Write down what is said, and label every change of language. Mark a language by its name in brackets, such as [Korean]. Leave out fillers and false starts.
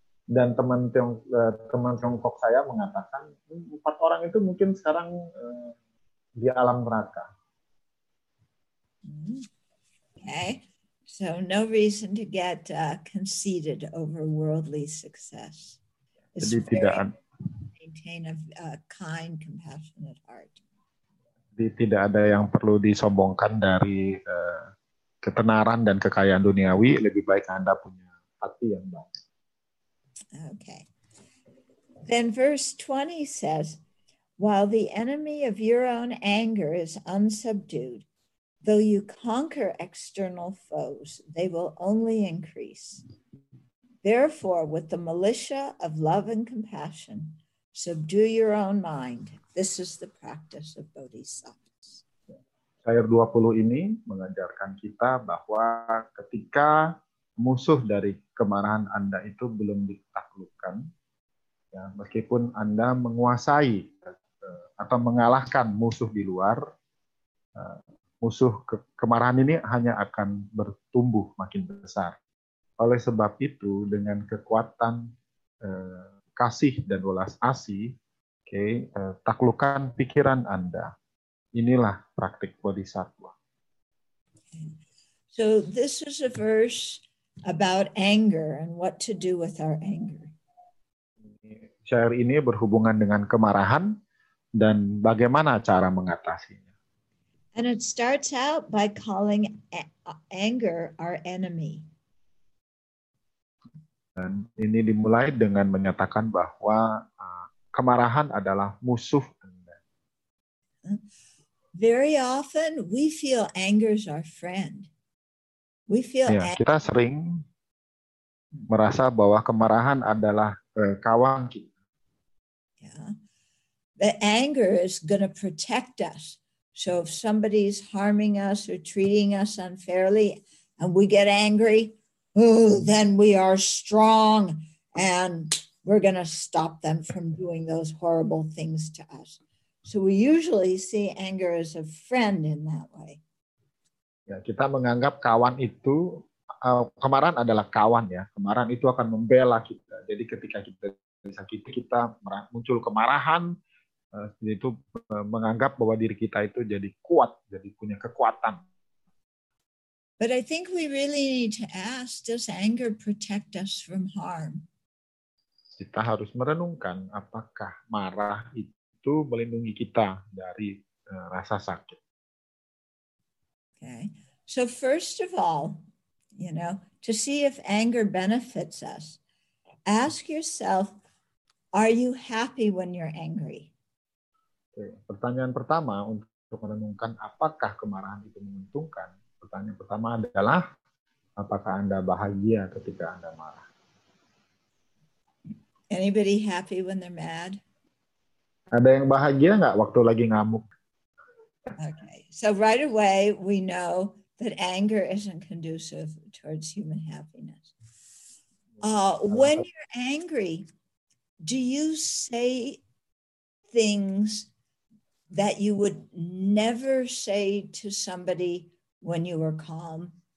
[Indonesian] Dan teman Tiongkok saya mengatakan, 4 orang itu mungkin sekarang di alam neraka. [English] Okay, so no reason to get conceited over worldly success. [Indonesian] It's jadi tidak [English] maintain a kind, compassionate heart. [Indonesian] Jadi tidak ada yang perlu disombongkan dari ketenaran dan kekayaan duniawi. Lebih baik Anda punya hati yang baik. [English] Okay. Then verse 20 says, while the enemy of your own anger is unsubdued, though you conquer external foes, they will only increase. Therefore, with the militia of love and compassion, subdue your own mind. This is the practice of bodhisattvas. [Indonesian] Ayat 20 ini mengajarkan kita bahwa ketika musuh dari kemarahan Anda itu belum ditaklukkan, ya, meskipun Anda menguasai atau mengalahkan musuh di luar, musuh kemarahan ini hanya akan bertumbuh makin besar. Oleh sebab itu, dengan kekuatan kasih dan welas asih, taklukkan pikiran Anda. Inilah praktik bodhisattva. [English] So this is a verse about anger and what to do with our anger. [Indonesian] Syair ini berhubungan dengan kemarahan dan bagaimana cara mengatasinya. [English] And it starts out by calling anger our enemy. [Indonesian] Dan ini dimulai dengan menyatakan bahwa kemarahan adalah musuh Anda. [English] Very often we feel anger is our friend. We feel [Indonesian] ya, kita sering merasa bahwa kemarahan adalah kawan kita. [English] Yeah. The anger is going to protect us. So if somebody's harming us or treating us unfairly and we get angry, then we are strong and we're going to stop them from doing those horrible things to us. So we usually see anger as a friend in that way. [Indonesian] Ya, kita menganggap kawan itu, kemarahan adalah kawan, ya. Kemarahan itu akan membela kita. Jadi ketika kita disakiti, kita muncul kemarahan, itu menganggap bahwa diri kita itu jadi kuat, jadi punya kekuatan. [English] But I think we really need to ask, does anger protect us from harm? [Indonesian] Kita harus merenungkan apakah marah itu melindungi kita dari rasa sakit. [English] Okay. So first of all, you know, to see if anger benefits us, ask yourself, are you happy when you're angry? Okay. [Indonesian] Pertanyaan pertama untuk merenungkan apakah kemarahan itu menguntungkan, pertanyaan pertama adalah, apakah Anda bahagia ketika Anda marah? [English] Anybody happy when they're mad? [Indonesian] Ada yang bahagia nggak waktu lagi ngamuk? [English] Okay, so right away we know that anger isn't conducive towards human happiness. When you're angry, do you say things that you would never say to somebody when you were calm?